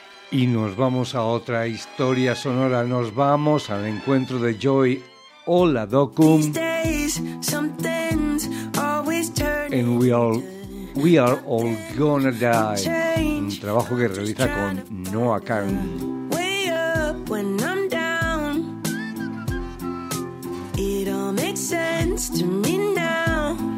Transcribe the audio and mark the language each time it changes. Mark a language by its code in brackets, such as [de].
[es] Y nos vamos a otra historia sonora. Nos vamos al encuentro de Joy Oladokun. [en] days, some things always turn. And we are all gonna die. [es] Un trabajo que realiza con Noah Kahan. [en] Way up when I'm down. It all makes sense to me now.